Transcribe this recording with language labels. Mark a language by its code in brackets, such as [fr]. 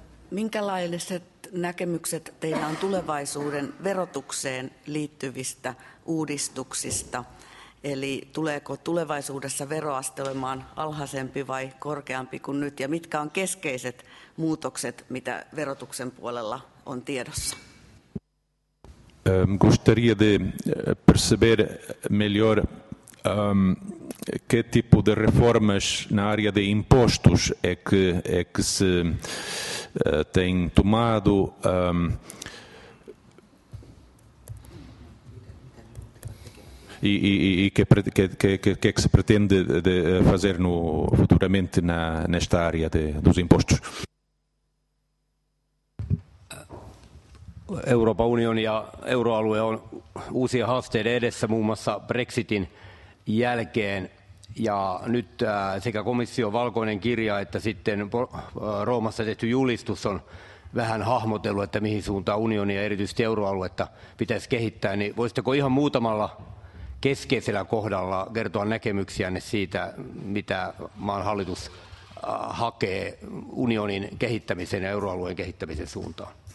[fi] Minkälaiset näkemykset teillä on tulevaisuuden verotukseen liittyvistä uudistuksista? Eli tuleeko tulevaisuudessa veroaste olemaan alhaisempi vai korkeampi kuin nyt? Ja mitkä on keskeiset muutokset, mitä verotuksen puolella on tiedossa? [pt] Gostaria de perceber melhor que tipo de reformas na área de impostos é que se tem tomado. E que se pretende de fazer no futuramente nesta área dos impostos? [fi] Euroopan unioni ja euroalue on uusia haasteita edessä muun muassa Brexitin jälkeen ja nyt sekä komission valkoinen kirja että sitten Roomassa tehty julistus on vähän hahmotellut, että mihin suuntaan unioni ja erityisesti euroaluetta pitäisi kehittää, niin voisitteko ihan muutamalla keskeisellä kohdalla kertoa näkemyksiänne siitä, mitä maan hallitus hakee unionin kehittämisen ja euroalueen kehittämisen suuntaan.